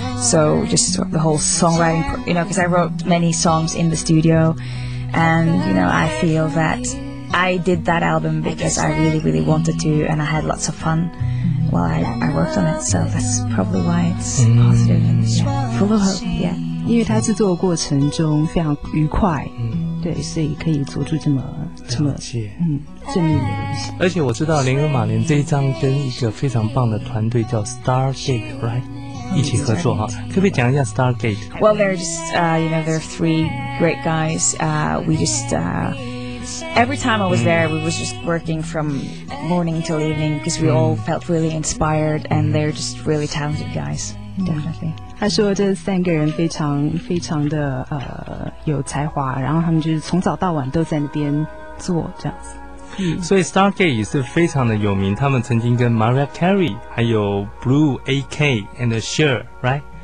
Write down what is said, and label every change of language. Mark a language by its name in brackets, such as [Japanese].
[English] So just the whole songwriting, you know, because I wrote many songs in the studio. And, you know, I feel that I did that album because I really, really wanted to and I had lots of fun. Well, I worked on it, so that's probably why it's positive and full of hope. Yeah, [Chinese] 因为他制作过程中非常愉快，对，所以可以做出这么正面的东西。而且我知道林和马莲这一张跟一个非常棒的团队叫 Stargate, [English] right? [Chinese] 一起合作哈，可不可以讲一下 Stargate? [English] Well, they're just you know, they're three great guys. We just every time I was there, we was just working from morning till evening because we all felt really inspired, and they're just really talented guys. Definitely. [Chinese] 他说这三个人非常非常的有才华，然后他们就是从早到晚都在那边做这样子。所以 Stargate 也是非常的有名，他们曾经跟 Mariah Carey 还有 Blue AK and Cher, [English] right?